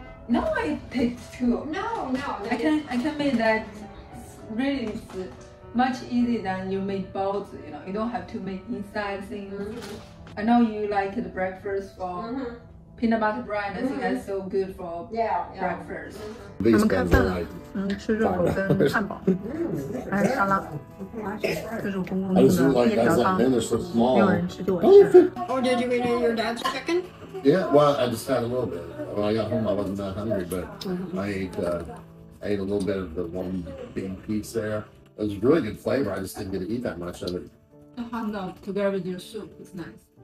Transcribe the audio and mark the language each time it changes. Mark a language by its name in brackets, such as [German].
[English] No, it takes two. No. I can make that really much easier than you make balls. You know, you don't have to make inside things. Mm-hmm. I know you like the breakfast for. Mm-hmm. Peanut butter bread, I think that's so good for breakfast. [Chinese] 我们看饭了，吃热狗跟汉堡，还有沙拉。这是我公公做的面条汤，没有人吃就我吃。 [English] Oh, did you eat your dad's chicken? Yeah, well, I just had a little bit. When I got home, I wasn't that hungry, but I ate a little bit of the one big piece there. It was really good flavor. I just didn't get to eat that much of it. The hot dog together with your soup is nice.